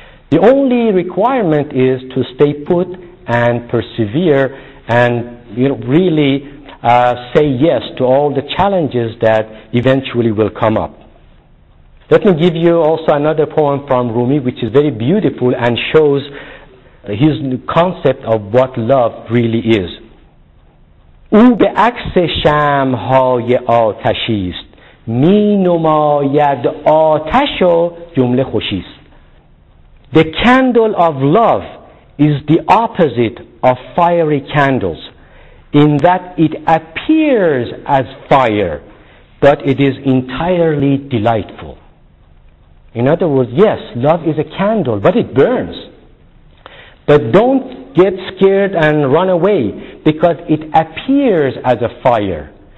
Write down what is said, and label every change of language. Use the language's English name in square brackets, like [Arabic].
[English] The only requirement is to stay put and persevere and, you know, really say yes to all the challenges that eventually will come up. Let me give you also another poem from Rumi, which is very beautiful and shows his concept of what love really is. [Persian] او به عکس شمع‌های آتشی است می نماید آتش و جمله خوشی است. [English] The candle of love is the opposite of fiery candles, in that it appears as fire, but it is entirely delightful. In other words, yes, love is a candle, but it burns. But don't get scared and run away, because it appears as a fire.